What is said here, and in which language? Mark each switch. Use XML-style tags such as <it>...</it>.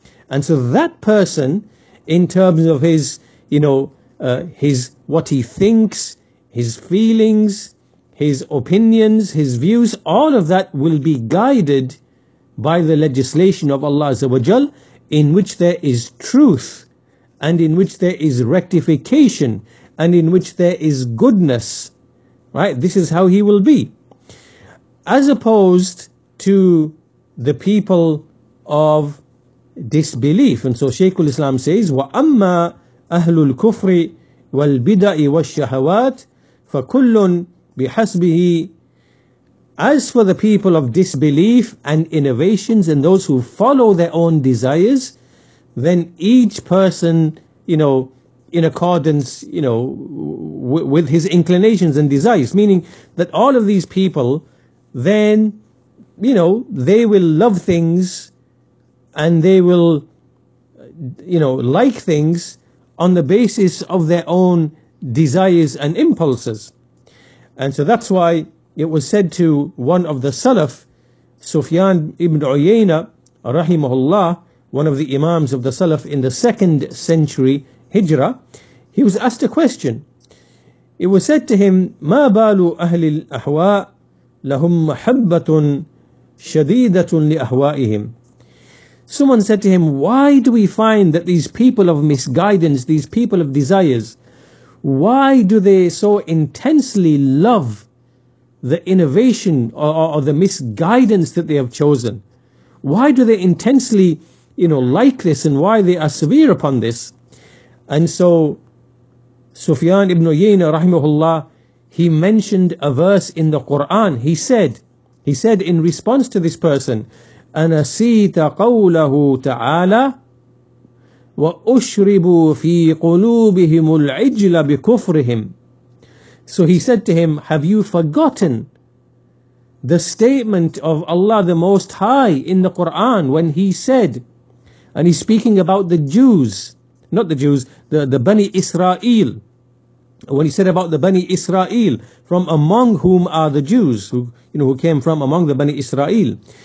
<en>And so that person, in terms of his, you know, his what he thinks, his feelings, his opinions, his views, all of that will be guided by the legislation of Allah Azza wa Jal, in which there is truth, and in which there is rectification, and in which there is goodness, right? This is how he will be. As opposed to the people of disbelief. And so Shaykhul Islam says,</en> <ar>وَأَمَّا أَهْلُ الْكُفْرِ وَالْبِدَعِ وَالشَّهَوَاتِ فَكُلٌّ بِحَسْبِهِ.</ar> <en>As for the people of disbelief and innovations and those who follow their own desires, then each person, you know, in accordance, you know, with his inclinations and desires, meaning that all of these people, then, you know, they will love things and they will, you know, like things on the basis of their own desires and impulses. And so that's why it was said to one of the Salaf, Sufyan ibn Uyayna rahimahullah, one of the imams of the Salaf in the 2nd century Hijrah, he was asked a question. It was said to him,</en> <ar>مَا بَالُ أَهْلِ الْأَحْوَاءِ لَهُمْ مَحَبَّةٌ شَدِيدَةٌ لِأَهْوَائِهِمْ.</ar> <en>Someone said to him, why do we find that these people of misguidance, these people of desires, why do they so intensely love the innovation or the misguidance that they have chosen? Why do they intensely, you know, like this, and why they are severe upon this? And so Sufyan ibn Uyayna rahimahullah, he mentioned a verse in the Quran. He said in response to this person,</en> <ar>أَنَسِيْتَ قَوْلَهُ تَعَالَى وَأُشْرِبُوا فِي قُلُوبِهِمُ الْعِجْلَ بِكُفْرِهِمْ.</ar> <en>So he said to him, have you forgotten the statement of Allah the Most High in the Quran when he said, and he's speaking about the Jews, not the Jews, the Bani Israel. When he said about the Bani Israel, from among whom are the Jews, who came from among the Bani Israel.</en>